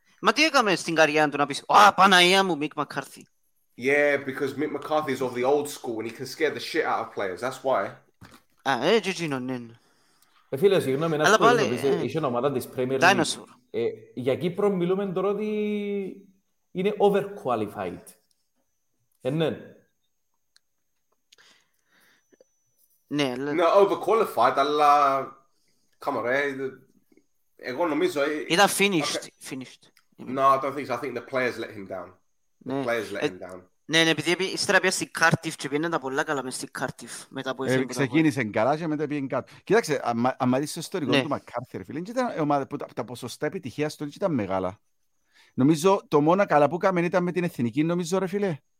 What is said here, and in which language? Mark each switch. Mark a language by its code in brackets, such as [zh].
[el] Μα τι έκαμε στην καριέρα του να πεις, α, Παναία μου, Μικ Μακάρθι. [en] Yeah, because Mick McCarthy is of the old school and he can scare the shit out of players, that's why. [el] Α, ε, Γιγίνο, ναι. Ε, φίλε, συγγνώμη, ένας που είχε είσαι ομάδα της Premier [en] League. Dinosaur. [el] Για Κύπρο μιλούμε τώρα ότι είναι overqualified. Ναι. Ναι, αλλά... Ναι, overqualified, αλλά... [en] Come on, [el] ρε. Εγώ νομίζω... [en] Ήταν finished. Finished. No, I don't think so. I think the players let him down. The players let him down. [el] Ναι, επειδή ύστερα πήγε στην Κάρτιφ και πήγαινε τα πολλά καλά μες στην Κάρτιφ. Ξεκίνησε καλά και μετά πήγαινε κάτω. Κοιτάξτε, αν μάθεις το ιστορικό του Μακάρθι, ρε φίλε, ήταν η ομάδα που τα ποσοστά επιτυχία στον ήταν μεγάλα. Νομίζω το μόνο καλά που έκαμε ήταν με την εθνική, νομίζω, ρε φίλε.